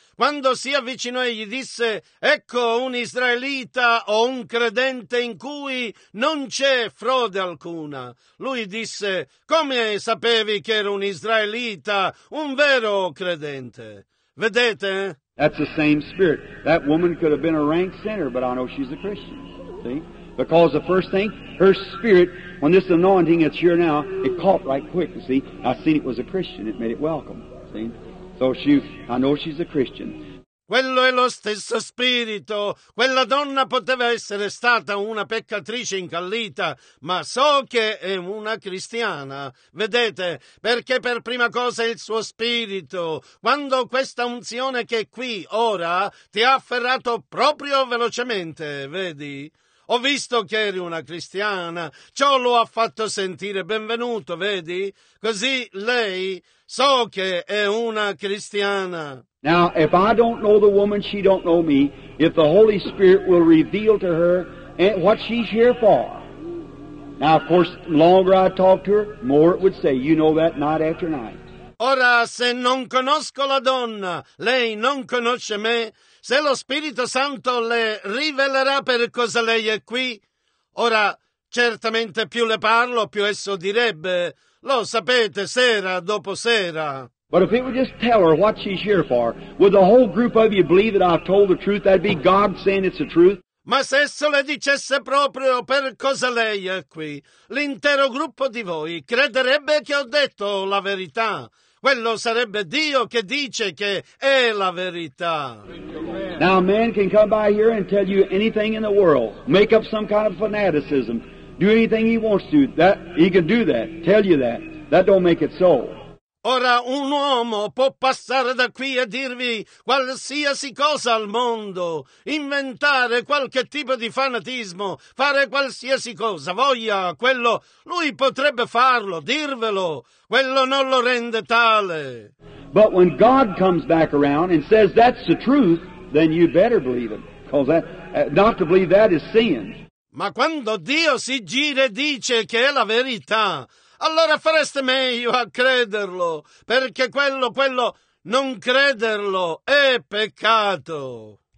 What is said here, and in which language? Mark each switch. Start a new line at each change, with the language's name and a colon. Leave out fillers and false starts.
Italian: Quando si avvicinò e gli disse, ecco un israelita o un credente in cui non c'è frode alcuna. Lui disse, come sapevi che ero un israelita, un vero credente? Vedete?
English: That's the same spirit. That woman could have been a rank sinner, but I know she's a Christian. See? Because the first thing, her spirit, when this anointing that's here now, it caught right quick, you see. I seen it was a Christian, it made it welcome, see. So she, I know she's a Christian.
Italian: Quello è lo stesso spirito. Quella donna poteva essere stata una peccatrice incallita, ma so che è una cristiana. Vedete, perché per prima cosa il suo spirito, quando questa unzione che è qui, ora, ti ha afferrato proprio velocemente, vedi? Ho visto che eri una cristiana, ciò lo ha fatto sentire benvenuto, vedi? Così lei, so che è una cristiana.
English: Now, if I don't know the woman, she don't know me. If the Holy Spirit will reveal to her what she's here for. Now, of course, the longer I talk to her, more it would say. You know that night after night.
Italian: Ora, se non conosco la donna, lei non conosce me. Se lo Spirito Santo le rivelerà per cosa lei è qui, ora certamente più le parlo, più esso direbbe, lo sapete, sera dopo sera.
English: But if he would just tell her what she's here for, would the whole group of you believe that I've told the truth? That'd be God saying it's the truth.
Italian: Ma se esso le dicesse proprio per cosa lei è qui, l'intero gruppo di voi crederebbe che ho detto la verità. Quello sarebbe Dio che dice che è la verità.
English: Now a man can come by here and tell you anything in the world, make up some kind of fanaticism, do anything he wants to, that he can do that, tell you that. That don't make it so.
Italian: Ora un uomo può passare da qui e dirvi qualsiasi cosa al mondo, inventare qualche tipo di fanatismo, fare qualsiasi cosa voglia, quello lui potrebbe farlo, dirvelo, quello non lo rende tale.
English: But when God comes back around and says that's the truth, then you better believe it, because not to believe that is sin.
Italian: Ma quando Dio si gira e dice che è la verità, allora fareste meglio a crederlo, perché quello non crederlo è peccato.